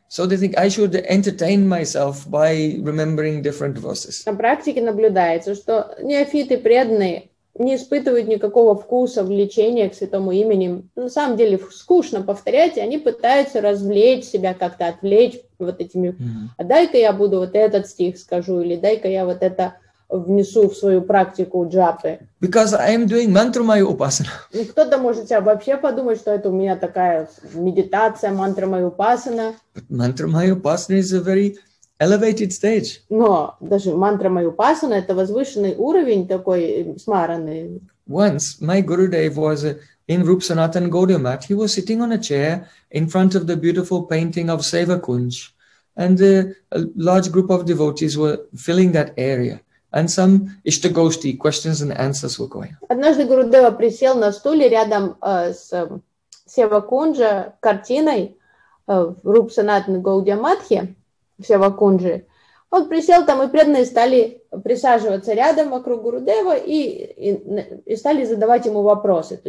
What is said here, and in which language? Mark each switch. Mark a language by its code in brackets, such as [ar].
[en] So they think I should entertain myself by remembering different verses. [ru] На практике наблюдается, что неофиты преданные не испытывают никакого вкуса влечения к святому имени. На самом деле скучно повторять, и они пытаются развлечь себя, как-то отвлечь вот этими, а дай-ка я буду вот этот стих скажу, или дай-ка я вот это внесу в свою практику джапы. [en] Because I am doing mantramaya upasana. [ru] И кто-то может себя вообще подумать, что это у меня такая медитация, мантрамая упасана. [en] But mantramaya upasana is a very elevated stage. [ru] Но даже мантрамая упасана — это возвышенный уровень такой смараны. [en] Once my Gurudev was in Rupa Sanatan Gaudiya Math. He was sitting on a chair in front of the beautiful painting of Seva Kunj. And a large group of devotees were filling that area. And some Istagosthi questions and answers were going. [ru] Однажды Гурудева присел на стуле рядом с Сева Кунджа картиной в Рупа Санатан Гаудия Матхе, Сева Кунджи. Он присел там, и преданные стали присаживаться рядом вокруг Гурудева и стали задавать ему вопросы.